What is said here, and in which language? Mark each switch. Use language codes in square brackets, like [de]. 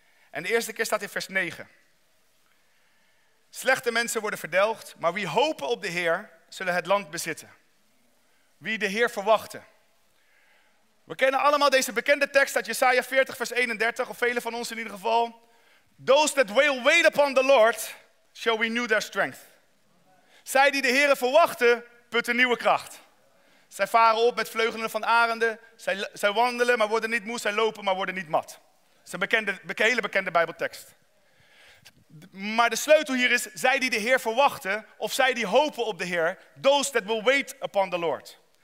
[nl] En de eerste keer staat in vers 9. Slechte mensen worden verdelgd, maar wie hopen op de Heer, zullen het land bezitten. Wie de Heer verwachten. We kennen allemaal deze bekende tekst uit Jesaja 40 vers 31, of velen van ons in ieder geval. [en] Those that will wait upon the Lord, shall renew their strength. [nl] Zij die de Heer verwachten, putten nieuwe kracht. Zij varen op met vleugelen van arenden. Zij wandelen, maar worden niet moe. Zij lopen, maar worden niet mat. Dat is een hele bekende Bijbeltekst. Maar de sleutel hier is, zij die de Heer verwachten, of zij die hopen op de Heer, [en] those that will wait upon the Lord.